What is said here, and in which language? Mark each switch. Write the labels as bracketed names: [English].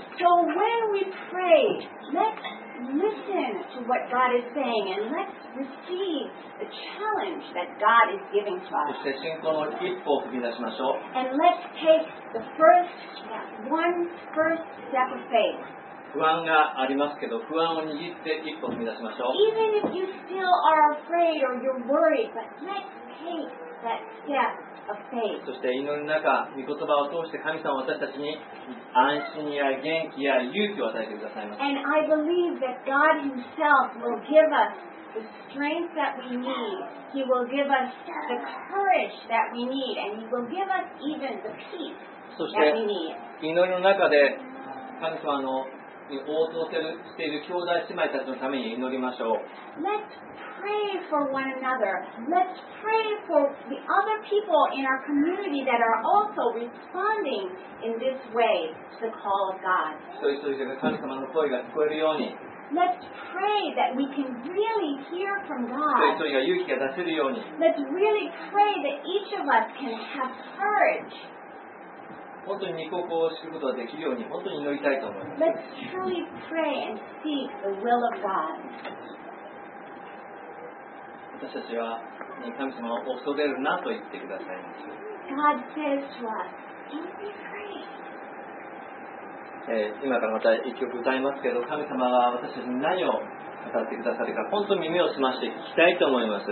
[English] So when we pray, let's listen to what God is saying and let's receive the challenge that God is giving to us. [Japanese] そして信仰の一歩を踏み出しましょう。 [English] And let's take the first, that one first step of faith. [Japanese] 不安がありますけど、不安を握って一歩踏み出しましょう。 [English] Even if you still are afraid or you're worried, but let's take that step of faith. [Japanese] そして祈りの中、御言葉を通して神様は私たちに安心や元気や勇気を与えてくださいます。 [English] And I believe that God Himself will give us the strength that we need. He will give us the courage that we need, and He will give us even the peace that we need. [Japanese] そして祈りの中で神様の応答している兄弟姉妹たちのために祈りましょう。 [English] Let's pray for one another. Let's pray for the other people in our community that are also responding in this way to the call of God. [Japanese] 一人一人が神様の声が聞こえるように。 [English] Let's pray that we can really hear from God. [Japanese] 一人一人が勇気が出せるように。 [English] Let's really pray that each of us can have courage. [Japanese] 本当に御心を知ることができるように本当に祈りたいと思います。 [English] Let's truly pray and seek the will of God. [Japanese] 私たちは神様を恐れるなと言ってくださいます。 [English] God says to us, don't be afraid. [Japanese] 今からまた一曲歌いますけど、神様は私たちに何を語ってくださるか本当に耳を澄まして聞きたいと思います。